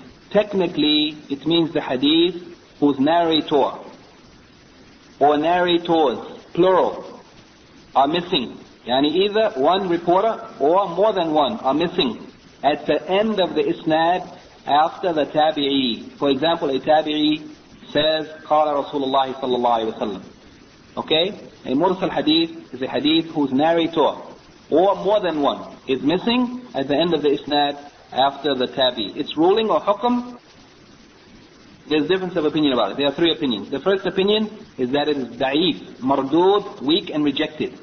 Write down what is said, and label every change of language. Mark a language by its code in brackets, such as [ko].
[en] Technically, it means the hadith whose narrator or narrators, plural, are missing. Yani either one reporter or more than one are missing at the end of the isnad, after the tabi'i. [ar] For example, a tabi'i says, قَالَ رَسُولُ اللَّهِ صَلَّى اللَّهِ عَلَيْهِ وَسَلَّمَ. [en] Okay? A mursal hadith is a hadith whose narrator, or more than one, is missing at the end of the isnad, after the tabi'i. It's ruling or hukum. There's a difference of opinion about it. There are three opinions. The first opinion is that it is da'if, mardood, weak and rejected.